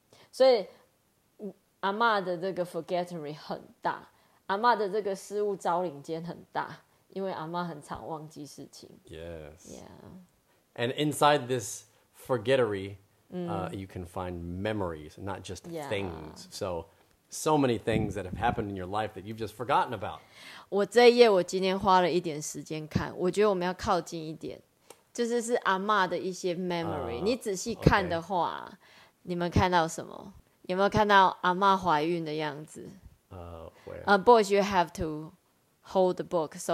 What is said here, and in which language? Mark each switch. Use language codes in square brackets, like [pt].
[zh] 所以阿嬷的这个 forgettery 很大，阿嬷的这个事物招领间很大，因为阿嬷很常忘记事情。 [en] Yes. Yeah. And inside this forgettery, you can find memories, not just things. So many things that have happened in your life that you've just forgotten about. [zh] 我这一页我今天花了一点时间看，我觉得我们要靠近一点，就是是阿嬷的一些 memory。你仔细看的话， [en] okay. [zh] 你们看到什么？有没有看到阿嬷怀孕的样子？ [en] Where? Boys, you have to hold the book so、